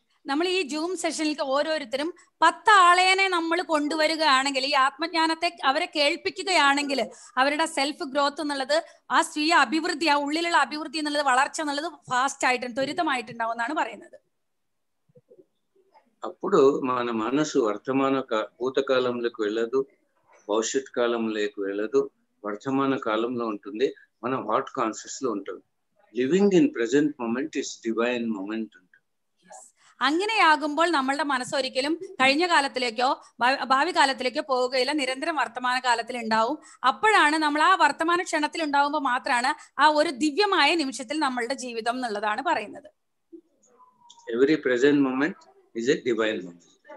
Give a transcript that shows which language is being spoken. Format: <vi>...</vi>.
<ml>നമ്മൾ ഈ ജൂം സെഷനിലേക്ക് ഓരോരുത്തരും 10 ആളെനെ നമ്മൾ കൊണ്ടുവരികയാണെങ്കിൽ ഈ ആത്മജ്ഞാനത്തെ അവരെ കേൾപ്പിക്കുകയാണെങ്കിൽ അവരുടെ സെൽഫ് ഗ്രോത്ത് എന്നുള്ളത് ആ സ്വീയ അഭിവൃദ്ധി ആ ഉള്ളിലുള്ള അഭിവൃദ്ധി എന്നുള്ളത് വളർച്ച എന്നുള്ളത് ഫാസ്റ്റ് ആയിട്ട് ത്വരിതമായിട്ട് ഉണ്ടാവും എന്നാണ് പറയുന്നത്</ml> <te>అప్పుడు మన మనసు వర్తమాన భూతకాలంలోకి వెళ్ళదు భవిష్యత్ కాలంలోకి వెళ్ళదు వర్తమాన కాలంలో ఉంటుంది మన హార్ట్ కాన్షియస్ లో ఉంటుంది</te> <en>living in present moment is divine moment</en> <ml>అంగనే ఆగుമ്പോൾ നമ്മളുടെ മനസ്സ് ഒരിക്കലും കഴിഞ്ഞ കാലത്തിലേക്കോ ഭാവി കാലത്തിലേക്കോ പോവുകയില്ല നിരന്തരം വർത്തമാന കാലത്തിൽ ഉണ്ടാവും അപ്പോഴാണ് നമ്മൾ ആ വർത്തമാന ക്ഷണത്തിൽ ഉണ്ടാവുമ്പോൾ മാത്രമാണ് ആ ഒരു ദിവ്യമായ നിമിഷത്തിൽ നമ്മളുടെ ജീവിതം എന്നുള്ളതാണ് പറയുന്നത്</ml> <en>every present moment is a divine moment</en>